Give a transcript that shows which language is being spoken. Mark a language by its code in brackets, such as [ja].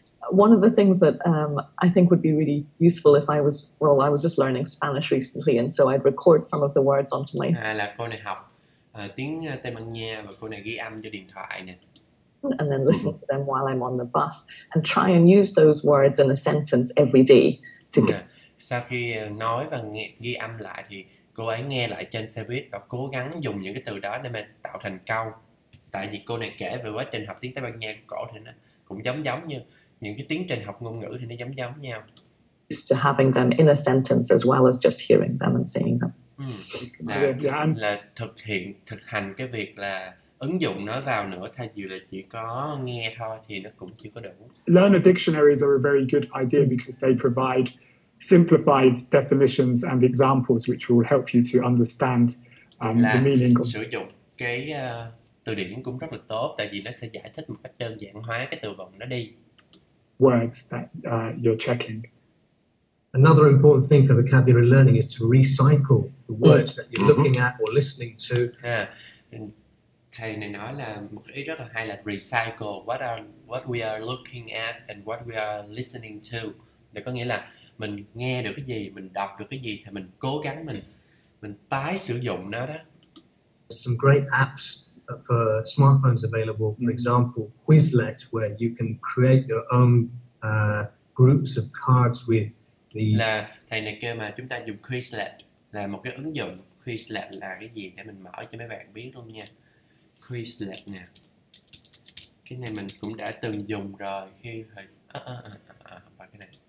[en] One of the things that I think would be really useful if I was, well, I was just learning Spanish recently, and so I'd record some of the words onto my phone. [vi] Là cô này học tiếng Tây Ban Nha và cô này ghi âm cho điện thoại nè. [en] And then listen to them while I'm on the bus and try and use those words in a sentence every day. [vi] Sau khi nói và ghi âm lại thì cô ấy nghe lại trên xe buýt và cố gắng dùng những cái từ đó để mà tạo thành câu. Tại vì cô này kể về quá trình học tiếng Tây Ban Nha cổ thì nó cũng giống như những cái tiến trình học ngôn ngữ thì nó giống nhau. [en] Used to having them in a sentence as well as just hearing them and saying them. [vi] Là thực hành cái việc là ứng dụng nó vào nữa thay vì là chỉ có nghe thôi thì nó cũng chưa có đủ. [en] Learner dictionaries are a very good idea because they provide simplified definitions and examples which will help you to understand the meaning of. [vi] Sử dụng cái từ điển cũng rất là tốt tại vì nó sẽ giải thích một cách đơn giản hóa cái từ vựng nó đi. [en] Words that you're checking. Another important thing for vocabulary learning is to recycle the words that you're looking at or listening to. [vi] Thầy này nói là một ý rất là hay là [en] recycle what we are looking at and what we are listening to. [vi] Để có nghĩa là mình nghe được cái gì, mình đọc được cái gì thì mình cố gắng mình tái sử dụng nó đó. [en] Some great apps for smartphones available, for example, Quizlet, where you can create your own groups of cards with the. [vi] Là thầy này kêu mà chúng ta dùng Quizlet là một cái ứng dụng. Quizlet là cái gì để mình mở cho mấy bạn biết luôn nha. Quizlet nè, cái này mình cũng đã từng dùng rồi khi thầy. Cái này.